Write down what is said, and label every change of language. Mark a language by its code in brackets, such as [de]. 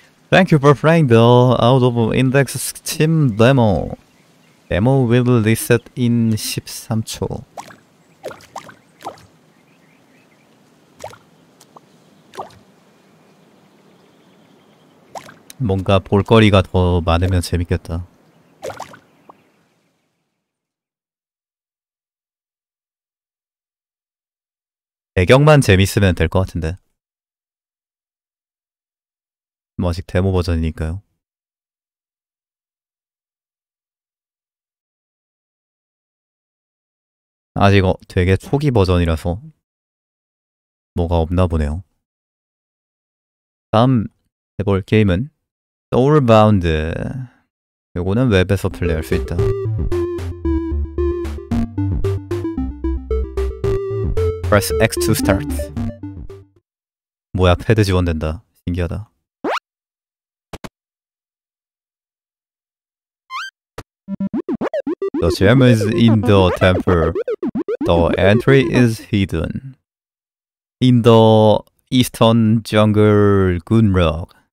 [en] 땡큐 포 플레잉 더 아웃 오브 인덱스 스팀 데모. 데모 will reset in 13초. [ko] 뭔가 볼거리가 더 많으면 재밌겠다. 배경만 재밌으면 될 것 같은데. 뭐 아직 데모 버전이니까요. 아직 되게 초기 버전이라서 뭐가 없나 보네요. 다음 해볼 게임은 Soulbound. 요거는 웹에서 플레이할 수 있다. [en] 프레스 X to start. [ko] 뭐야, 패드 지원된다. 신기하다. [en] 더 잼 is in the temple. The entry is hidden in the eastern jungle Gunrock.